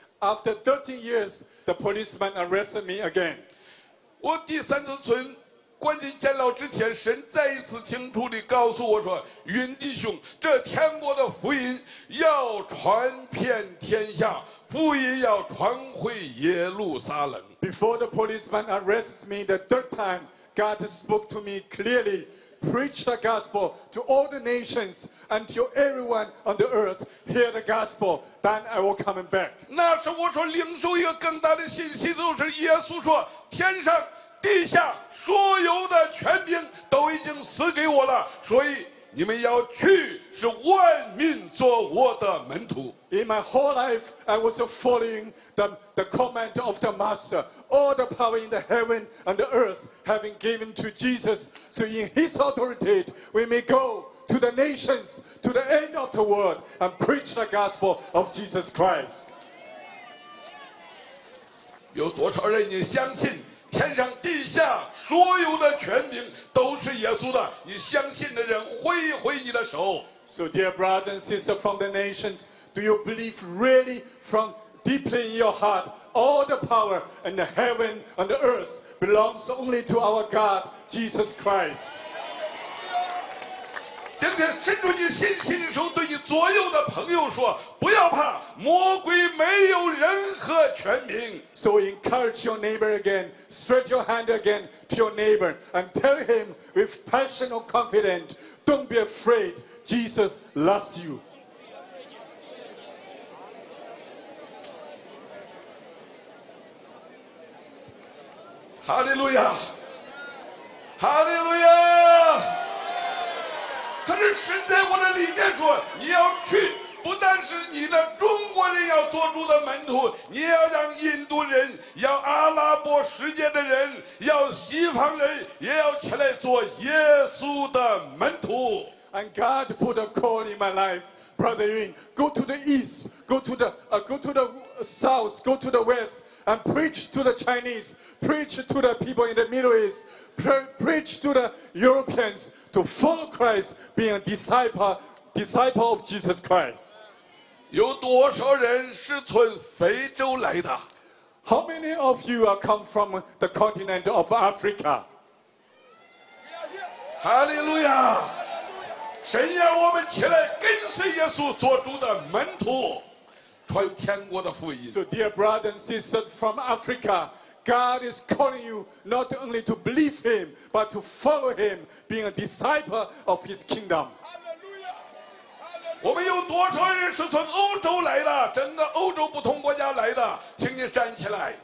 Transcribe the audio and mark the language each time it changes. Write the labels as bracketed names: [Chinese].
[English] After 13 years, the policeman arrested me again. [Chinese] 我第三次从关进监牢之前，神再一次清楚地告诉我说，云弟兄，这天国的福音要传遍天下，福音要传回耶路撒冷。 [English] Before the policeman arrested me the third time, God spoke to me clearly, preach the gospel to all the nations until everyone on the earth hear the gospel, then I will come back. [Chinese] 那时我说领受一个更大的信息，就是耶稣说天上地下所有的权柄都已经赐给我了，所以你们要去，是万民做我的门徒。 [English] In my whole life, I was following the command of the Master. All the power in the heaven and the earth have been given to Jesus. So in His authority, we may go to the nations, to the end of the world, and preach the gospel of Jesus Christ. [Chinese] 有多少人你相信？天上地下所有的权柄都是耶稣的，你相信的人挥一挥你的手。 [English] So dear brothers and sisters from the nations, do you believe really from deeply in your heart all the power and the heaven and the earth belongs only to our God Jesus Christ? [Chinese] 今天伸出你信心的手，对你左右的朋友说，不要怕，魔鬼没有任何权柄。 [English] So encourage your neighbor again, stretch your hand again to your neighbor and tell him with passion or confidence, don't be afraid, Jesus loves you. [Chinese] 哈利路亚，哈利路亚。可是神在我的里面说，你要去，不但是你的中国人要做主的门徒，你要让印度人，要阿拉伯世界的人，要西方人，也要起来做耶稣的门徒。 [English] And God put a call in my life, Brother Yun, go to the east, go to the south, go to the west, and preach to the Chinese, preach to the people in the Middle East, preach to the Europeans,to follow Christ, being a disciple of Jesus Christ. [Chinese] 有多少人是从非洲来的？ [English] How many of you are come from the continent of Africa? Hallelujah! [Chinese] 神要我们起来跟随耶稣做主的门徒，传天国的福音。 [English] So dear brothers and sisters from Africa,God is calling you not only to believe Him, but to follow Him, being a disciple of His kingdom. Hallelujah!